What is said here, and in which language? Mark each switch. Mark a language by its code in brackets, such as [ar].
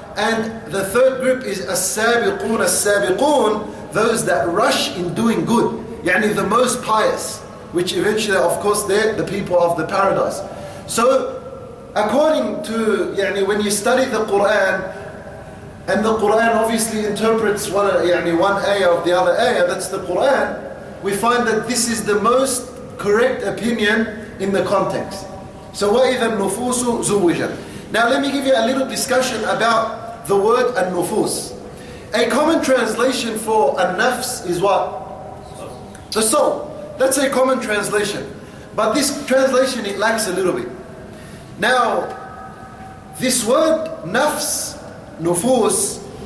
[en] And the third group is السابقون, السابقون, those that rush in doing good, يعني the most pious, which eventually, of course, they're the people of the paradise. So, according to, يعني when you study the Qur'an, and the Qur'an obviously interprets one ayah of the other ayah, that's the Qur'an, we find that this is the most correct opinion in the context. [ar] So, وَإِذَا النُّفُوسُ زُوِّجَتْ. [en] Now, let me give you a little discussion about the word an-nufus. A common translation for an-nafs is what? The soul. That's a common translation. But this translation, it lacks a little bit. Now, this word nafs, nufus,